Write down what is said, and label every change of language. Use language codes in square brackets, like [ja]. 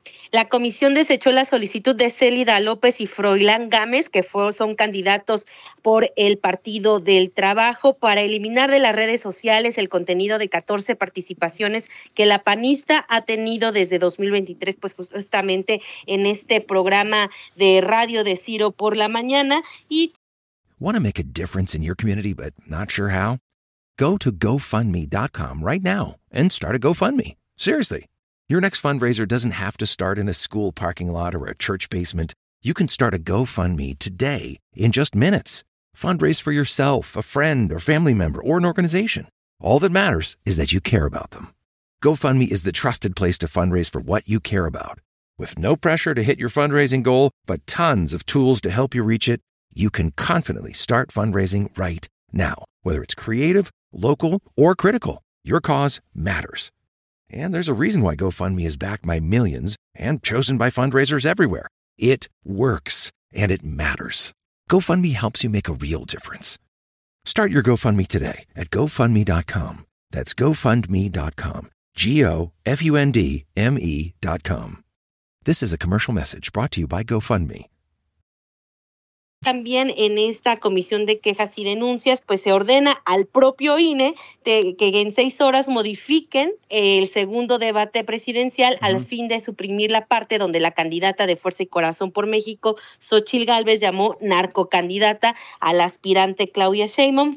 [es] La comisión desechó la solicitud de Célida López y Froilán Gámez, que son candidatos por el Partido del Trabajo, para eliminar de las redes sociales el contenido de 14 participaciones que la panista ha tenido desde 2023, pues justamente en este programa de radio de Ciro por la mañana. Y [en] want to make a difference in your community but not sure how? Go to GoFundMe.com right now and start a GoFundMe. Seriously. Your next fundraiser doesn't have to start in a school parking lot or a church basement. You can start a GoFundMe today in just minutes. Fundraise for yourself, a friend, or family member, or an organization. All that matters is that you care about them. GoFundMe is the trusted place to fundraise for what you care about. With no pressure to hit your fundraising goal, but tons of tools to help you reach it, you can confidently start fundraising right now. Whether it's creative, local, or critical, your cause matters. And there's a reason why GoFundMe is backed by millions and chosen by fundraisers everywhere. It works, and it matters. GoFundMe helps you make a real difference. Start your GoFundMe today at GoFundMe.com. That's GoFundMe.com. GoFundMe.com. This is a commercial message brought to you by GoFundMe. [es] También en esta comisión de quejas y denuncias, pues se ordena al propio INE que en 6 horas modifiquen el segundo debate presidencial al fin de suprimir la parte donde la candidata de Fuerza y Corazón por México, Xochitl Gálvez, llamó narcocandidata a la aspirante Claudia Sheinbaum.